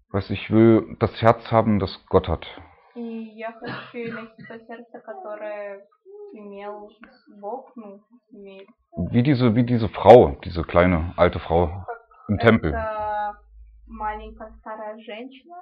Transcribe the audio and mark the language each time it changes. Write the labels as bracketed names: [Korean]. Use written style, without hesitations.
[German] Ich will das Herz haben, das Gott hat. [Russian] И я хочу найти то сердце, которое имел Бог, ну, имеет. [German] Wie diese Frau, diese kleine alte Frau im Tempel. [Russian] Маленькая старая женщина.